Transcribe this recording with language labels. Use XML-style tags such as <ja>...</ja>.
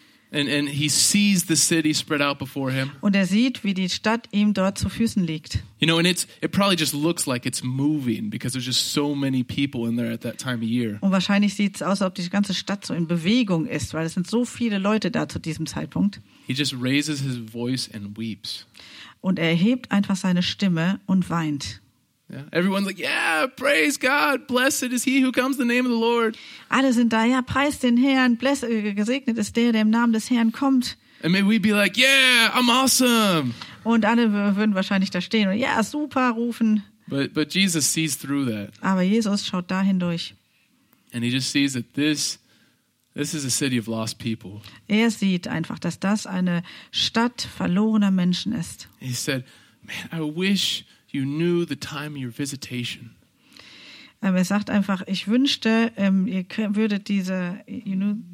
<en>And he sees the city spread out before him.</en> <de>Und er sieht, wie die Stadt ihm dort zu Füßen liegt.</de> <en>You know, and it probably just looks like it's moving because there's just so many people in there at that time of year.</en> <de>Und wahrscheinlich sieht's aus, ob die ganze Stadt so in Bewegung ist, weil es sind so viele Leute da zu diesem Zeitpunkt.</de> <en>He just raises his voice and weeps.</en> <de>Und er erhebt einfach seine Stimme und weint.</de> <en>Yeah. Everyone's like, yeah, praise God, blessed is he who comes in the name of the Lord.</en> <de>Alle sind da, ja, preis den Herrn, gesegnet ist der, der im Namen des Herrn kommt.</de> <en>And may we be like, yeah, I'm awesome.</en> <de>Und alle würden wahrscheinlich da stehen und ja, super rufen.</de> <en>But Jesus sees through that.</en> <de>Aber Jesus schaut da hindurch.</de> <en>And he just sees that this This is a city of lost people.</en> <de>Er sieht einfach, dass das eine Stadt verlorener Menschen ist.</de> <en>He said, "Man, I wish you knew the time of your visitation."</en> <de>Er sagt einfach, ich wünschte, ihr würdet diese,</de> <en>you know,</en>